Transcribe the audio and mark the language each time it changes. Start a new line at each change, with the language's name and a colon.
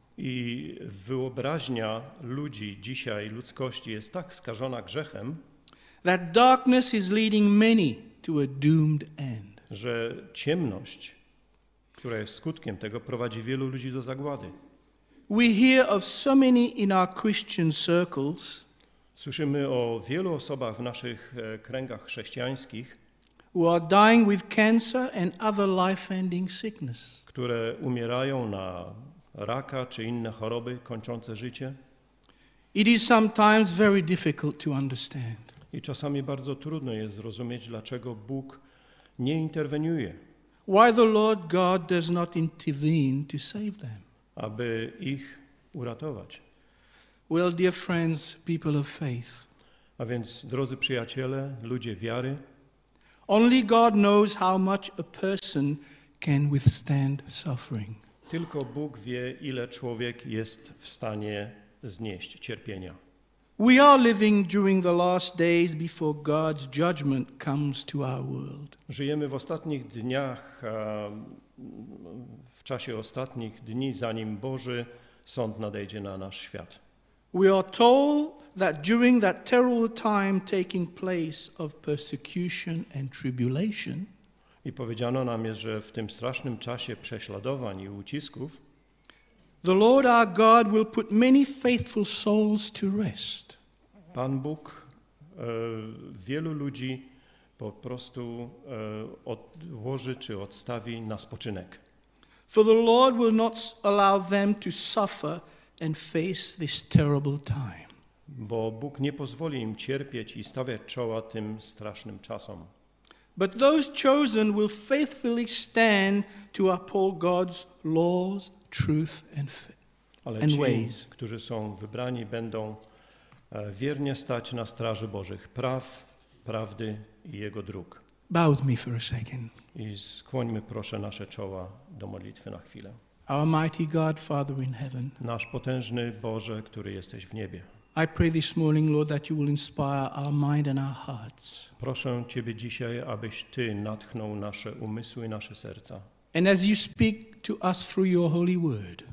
Polish: I wyobraźnia ludzi dzisiaj, ludzkości, jest tak skażona grzechem,
English: that darkness is leading many to a doomed end.
Polish: Że ciemność, która jest skutkiem tego, prowadzi wielu ludzi do zagłady.
English: We hear of so many in our Christian circles.
Polish: Słyszymy o wielu osobach w naszych kręgach chrześcijańskich,
English: who are dying with cancer and other life-ending sickness.
Polish: Które umierają na raka czy inne choroby kończące życie.
English: It is sometimes very difficult to understand.
Polish: I czasami bardzo trudno jest zrozumieć, dlaczego Bóg nie interweniuje.
English: Why the Lord God does not intervene to save them.
Polish: Aby ich uratować.
English: Well, dear friends, people of faith.
Polish: A więc, drodzy przyjaciele, ludzie wiary,
English: only God knows how much a person can withstand suffering.
Polish: Tylko Bóg wie, ile człowiek jest w stanie znieść cierpienia.
English: We are living during the last days before God's judgment comes to our world.
Polish: Żyjemy w ostatnich dniach, w czasie ostatnich dni, zanim Boży sąd nadejdzie na nasz świat.
English: We are told that during that terrible time taking place of persecution and tribulation,
Polish: i powiedziano nam jest, że w tym strasznym czasie prześladowań i ucisków,
English: the Lord our God will put many faithful souls to rest.
Polish: Pan Bóg wielu ludzi po prostu odłoży czy odstawi na spoczynek.
English: For the Lord will not allow them to suffer and face this terrible time.
Polish: Bo Bóg nie pozwoli im cierpieć i stawiać czoła tym strasznym czasom.
English: But those chosen will faithfully stand to uphold God's laws, truth and ways.
Polish: Ale ci, którzy są wybrani, będą wiernie stać na straży Bożych praw, prawdy i Jego dróg.
English: Bow with me for a second.
Polish: I skłońmy proszę nasze czoła do modlitwy na chwilę.
English: Our mighty God, Father in heaven.
Polish: Nasz potężny Boże, który jesteś w niebie.
English: I pray this morning, Lord, that you will inspire our mind and our hearts.
Polish: Proszę Ciebie dzisiaj, abyś Ty natchnął nasze umysły i nasze serca.
English: And as you speak to us through your holy word.